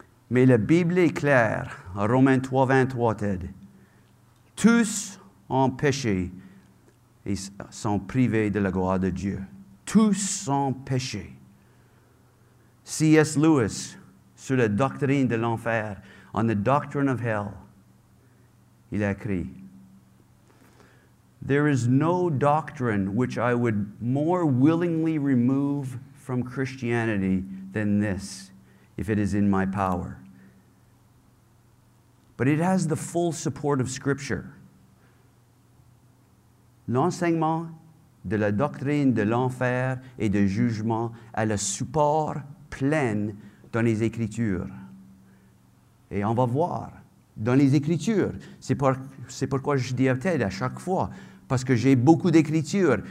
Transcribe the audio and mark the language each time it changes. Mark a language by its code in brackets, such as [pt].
[fr] Mais la Bible est claire, Romains 3, 23, Ted. Tous ont péché et sont privés de la gloire de Dieu. Tous ont péché. C.S. Lewis sur la doctrine de l'enfer, [en] on the doctrine of hell, [fr] il a écrit, [en] there is no doctrine which I would more willingly remove from Christianity than this, if it is in my power. But it has the full support of Scripture. [fr] L'enseignement de la doctrine de l'enfer et de jugement a le support plein dans les Écritures. Et on va voir dans les Écritures. C'est pourquoi je dis à Ted à chaque fois, parce que j'ai beaucoup d'Écritures.